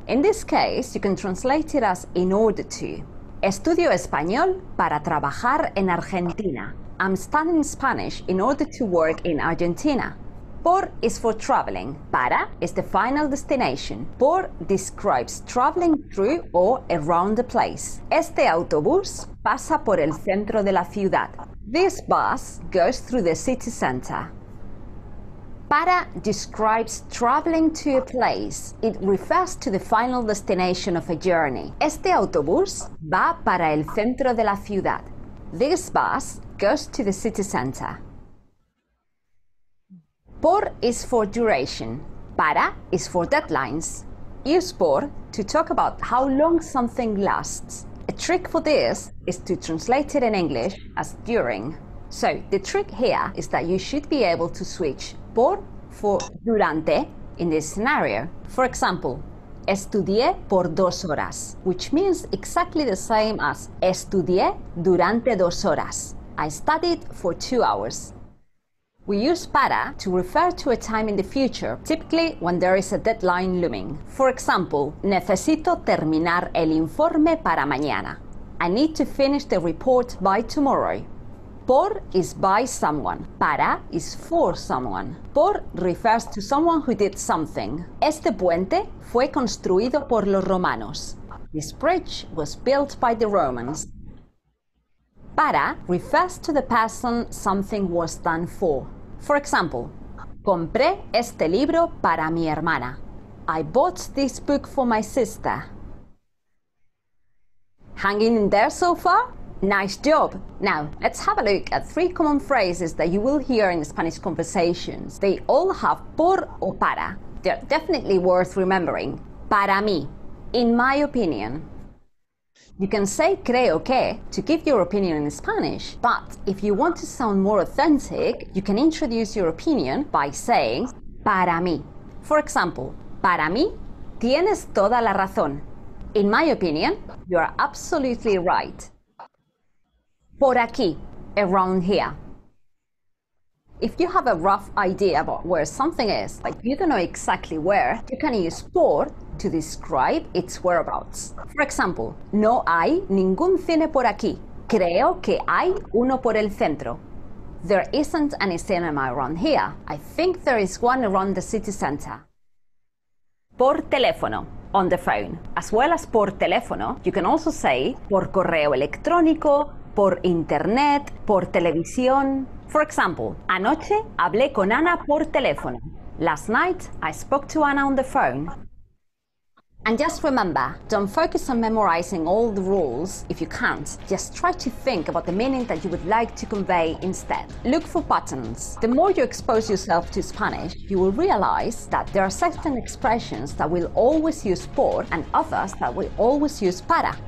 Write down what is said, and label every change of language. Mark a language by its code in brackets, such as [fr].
[en] In this case, you can translate it as in order to. [es] Estudio español para trabajar en Argentina. [en] I'm studying Spanish in order to work in Argentina. Por is for traveling. Para is the final destination. Por describes traveling through or around the place. [es] Este autobús pasa por el centro de la ciudad. [en] This bus goes through the city center. Para describes traveling to a place. It refers to the final destination of a journey. [es] Este autobús va para el centro de la ciudad. [en] This bus goes to the city center. Por is for duration. Para is for deadlines. Use por to talk about how long something lasts. A trick for this is to translate it in English as during. So the trick here is that you should be able to switch por for durante in this scenario. For example, [es] estudié por dos horas, [en] which means exactly the same as [es] estudié durante dos horas. [en] I studied for 2 hours. We use para to refer to a time in the future, typically when there is a deadline looming. For example, [es] necesito terminar el informe para mañana. [en] I need to finish the report by tomorrow. Por is by someone. Para is for someone. Por refers to someone who did something. [es] Este puente fue construido por los romanos. [en] This bridge was built by the Romans. Para refers to the person something was done for. For example, [es] compré este libro para mi hermana. [en] I bought this book for my sister. Hanging in there so far? Nice job! Now, let's have a look at three common phrases that you will hear in Spanish conversations. They all have por or para. They're definitely worth remembering. Para mí, in my opinion. You can say creo que to give your opinion in Spanish, but if you want to sound more authentic, you can introduce your opinion by saying para mí. For example, [es] para mí tienes toda la razón. [en] In my opinion, you are absolutely right. Por aquí, around here. If you have a rough idea about where something is, but you don't know exactly where, you can use por to describe its whereabouts. For example, [es] no hay ningún cine por aquí. Creo que hay uno por el centro. [en] There isn't any cinema around here. I think there is one around the city center. Por teléfono, on the phone. As well as por teléfono, you can also say por correo electrónico, por internet, por televisión. For example, [es] anoche hablé con Ana por teléfono. [en] Last night, I spoke to Ana on the phone. And just remember, don't focus on memorizing all the rules if you can't. Just try to think about the meaning that you would like to convey instead. Look for patterns. The more you expose yourself to Spanish, you will realize that there are certain expressions that will always use por and others that will always use para.